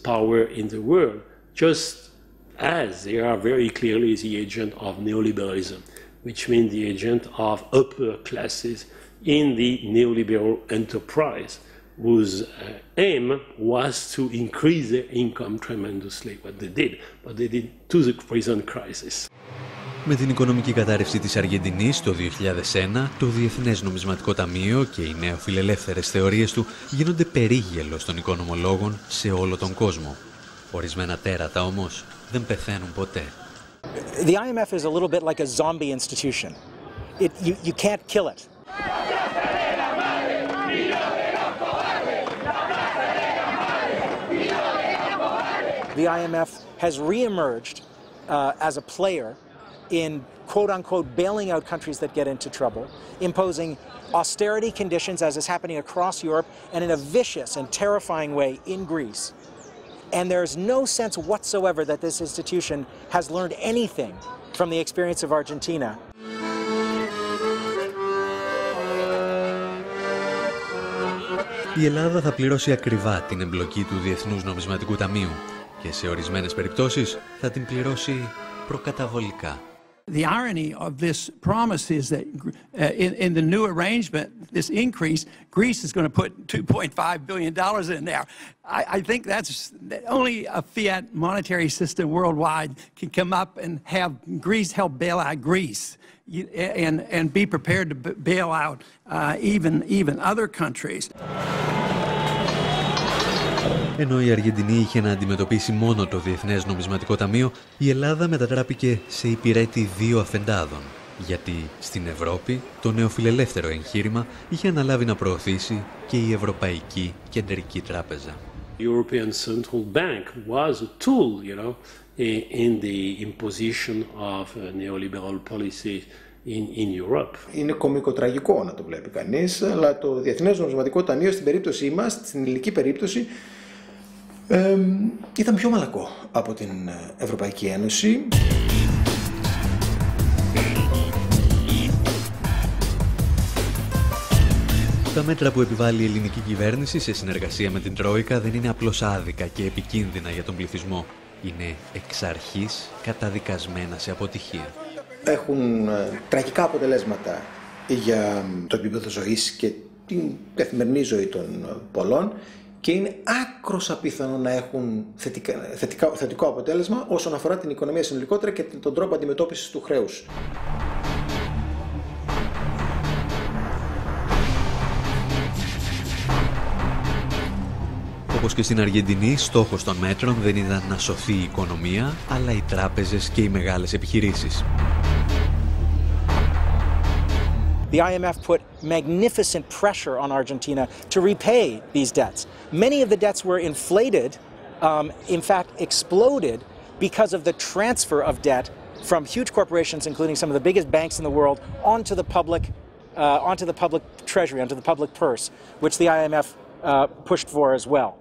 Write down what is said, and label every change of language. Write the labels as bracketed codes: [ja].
[en] power in the world, just as they are very clearly the agent of neoliberalism, which means the agent of upper classes in the neoliberal enterprise, whose aim was to increase their income tremendously, what they did, but they did to the present crisis. [el] Με την οικονομική κατάρρευση της Αργεντινής το 2001, το Διεθνές Νομισματικό Ταμείο και οι νεοφιλελεύθερες θεωρίες του γίνονται περίγελος των οικονομολόγων σε όλο τον κόσμο. Ορισμένα τέρατα όμως δεν πεθαίνουν ποτέ. [en] The IMF is a little bit like a zombie institution. You can't kill it. The IMF has re-emerged as a player in quote-unquote bailing out countries that get into trouble, imposing austerity conditions as is happening across Europe and in a vicious and terrifying way in Greece. And there's no sense whatsoever that this institution has learned anything from the experience of Argentina. [el] Η Ελλάδα θα πληρώσει ακριβά την εμπλοκή του Διεθνούς Νομισματικού Ταμείου και σε ορισμένες περιπτώσεις θα την πληρώσει προκαταβολικά. [en] The irony of this promise is that in the new arrangement, this increase, Greece is going to put $2.5 billion in there. I think that's only a fiat monetary system worldwide can come up and have Greece help bail out Greece and be prepared to bail out even other countries. [el] Ενώ η Αργεντινή είχε να αντιμετωπίσει μόνο το Διεθνές Νομισματικό Ταμείο, η Ελλάδα μετατράπηκε σε υπηρέτη δύο αφεντάδων. Γιατί στην Ευρώπη το νεοφιλελεύθερο εγχείρημα είχε αναλάβει να προωθήσει και η Ευρωπαϊκή Κεντρική Τράπεζα. [en] The European Central Bank was a tool, you know, in the imposition of neoliberal policy in Europe. [el] Είναι κωμικοτραγικό να το βλέπει κανείς, αλλά το Διεθνές Νομισματικό Ταμείο στην περίπτωσή μας, στην ελληνική περίπτωση, ήταν πιο μαλακό από την Ευρωπαϊκή Ένωση. Τα μέτρα που επιβάλλει η ελληνική κυβέρνηση σε συνεργασία με την Τρόικα δεν είναι απλώς άδικα και επικίνδυνα για τον πληθυσμό. Είναι εξ αρχής καταδικασμένα σε αποτυχία. Έχουν τραγικά αποτελέσματα για το επίπεδο ζωής και την καθημερινή ζωή των πολλών. Και είναι άκρος απίθανο να έχουν θετικό αποτέλεσμα όσον αφορά την οικονομία συνολικότερα και τον τρόπο αντιμετώπισης του χρέους. Όπως και στην Αργεντινή, στόχος των μέτρων δεν ήταν να σωθεί η οικονομία, αλλά οι τράπεζες και οι μεγάλες επιχειρήσεις. [en] The IMF put magnificent pressure on Argentina to repay these debts. Many of the debts were inflated, in fact exploded, because of the transfer of debt from huge corporations, including some of the biggest banks in the world, onto the public treasury, onto the public purse, which the IMF pushed for as well.